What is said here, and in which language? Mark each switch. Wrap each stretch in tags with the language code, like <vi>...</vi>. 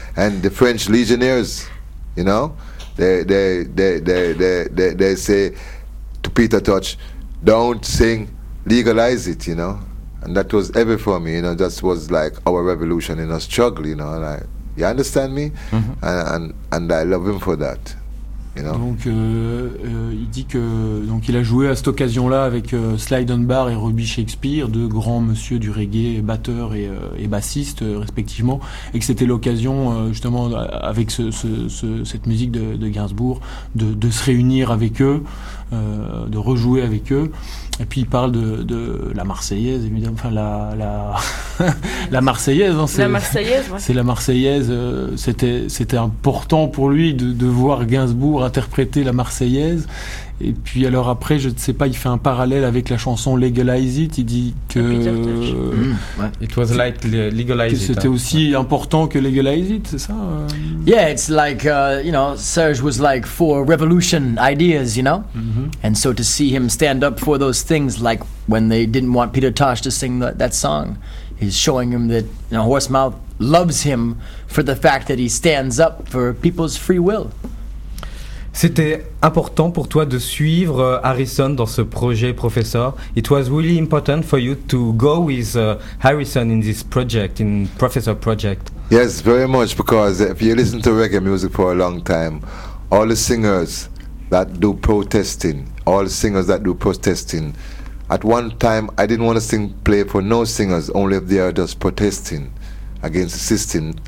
<en>And the French legionnaires, you know, they say, to Peter Touch, don't sing, legalize it, you know. And that was ever for me, you know. That was like our revolution in a struggle, you know. And you understand me? Mm-hmm. And I love him for that, you know.</en> <fr>Donc, il dit que donc il a joué à cette occasion-là avec Sly Dunbar et Robbie Shakespeare, deux grands monsieur du reggae, batteur et bassiste respectivement, et que c'était l'occasion justement avec cette musique de Gainsbourg de se réunir avec eux. de rejouer avec eux. Et puis il parle de la Marseillaise, évidemment, enfin la la Marseillaise, hein, c'est la Marseillaise, ouais. C'est la Marseillaise. C'était important pour lui de voir Gainsbourg interpréter la Marseillaise. Et puis alors après, je ne sais pas, il fait un parallèle avec la chanson Legalize It. Il dit que</fr> <en>It was like Legalize It.</en> <fr>C'était aussi important que Legalize It, c'est ça?</fr> <en>Yeah, it's like you know, Serge was like for revolution ideas, you know, and so to see him stand up for those things, like when they didn't want Peter Tosh to sing that song, he's showing him that, you know, Horse Mouth loves him for the fact that he stands up for people's free will.</en> <fr>C'était important pour toi de suivre Harrison dans ce projet, professeur.</fr> <en>It was really important for you to go with Harrison in this project, in professor project. Yes, very much, because if you listen to reggae music for a long time, all the singers that do protesting, all the singers that do protesting, at one time I didn't want to sing play for no singers, only if they are just protesting against the system.</en>